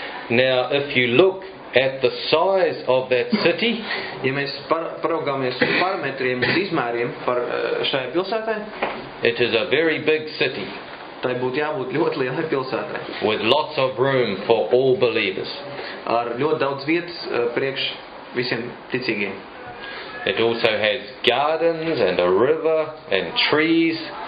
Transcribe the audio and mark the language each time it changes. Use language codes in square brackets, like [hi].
[en] Now, if you look at the size of that city, [lv] ja mēs paraugāmies uz parametriem un izmēriem par šajā pilsētā, [en] it is a very big city. [lv] Tai būtu jābūt ļoti lielai pilsētai. [en] With lots of room for all believers. [lv] Ar ļoti daudz vietas priekš visiem ticīgiem. [en] It also has gardens and a river and trees.